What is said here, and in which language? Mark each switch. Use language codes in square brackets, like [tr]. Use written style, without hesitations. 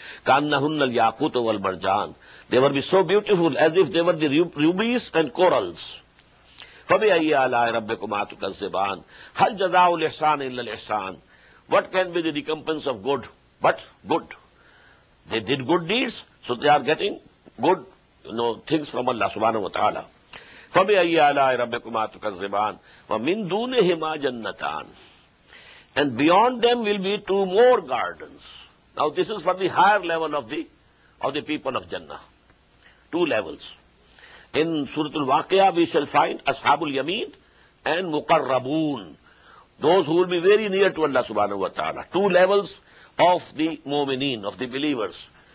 [ar] كأنهن الياقوت والمرجان. [en] They were so beautiful as if they were the rubies and corals. [ar] فبأي آلاء ربكما تكذبان؟ هل جزاء الإحسان إلا الإحسان؟ [en] What can be the recompense of good but good? They did good deeds, so they are getting good, you know, things from Allah subhanahu wa ta'ala. [ar] فبأي آلاء ربكما تكذبان؟ ومن دونهما جنتان. [en] And beyond them will be two more gardens. Now this is for the higher level of the people of Jannah. Two levels. In Surah Al-Waqiyah we shall find Ashabul Yameen and Muqarrabun. Those who will be very near to Allah subhanahu wa ta'ala. Two levels of the Mu'mineen, of the believers.